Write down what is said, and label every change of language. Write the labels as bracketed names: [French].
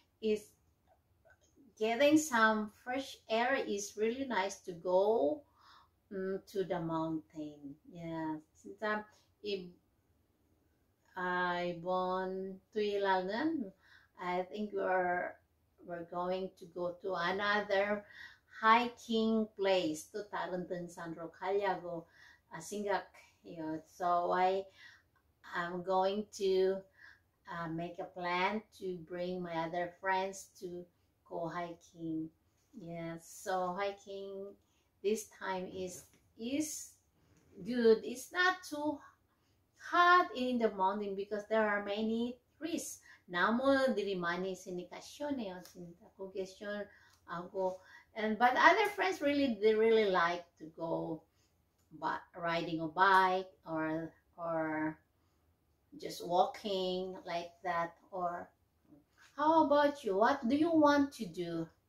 [English] It's getting some fresh air is really nice to go to the mountain. Yeah, [Korean] 진짜 이번 토요일은 [English] I think we're going to go to another hiking place. [Korean] 또 다른 등산으로 가려고 생각해요. [English] So I'm going to make a plan to bring my other friends to go hiking. Yes, so hiking this time is good. It's not too hot in the mountain because there are many trees. [Korean] 나무들이 많이 있으니까 시원해요, 진짜. 거기 시원하고. [English] But other friends really like to go riding a bike or just walking like that. Or how about you? What do you want to do?